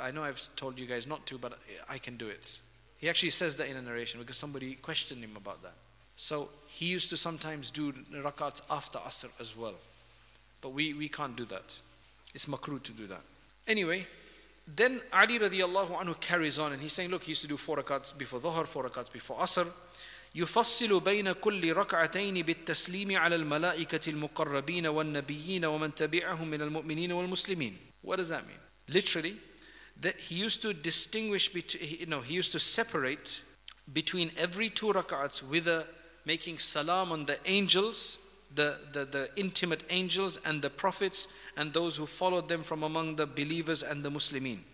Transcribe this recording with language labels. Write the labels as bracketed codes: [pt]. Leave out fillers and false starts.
[en] I know I've told you guys not to, but I can do it. He actually says that in a narration because somebody questioned him about that. So he used to sometimes do rakats after Asr as well. But we can't do that. It's makruh to do that. Anyway, then Ali radiallahu anhu carries on and he's saying, look, he used to do four rakats before Dhuhr, four rakats before Asr. [ar] يفصل بين كل ركعتين بالتسليم على الملائكة المقربين والنبيين ومن تبعهم من المؤمنين والمسلمين. [en] What does that mean? Literally, that he used to distinguish between, he used to separate between every two rak'ats with making salam on the angels, the intimate angels and the prophets and those who followed them from among the believers and the Muslimin.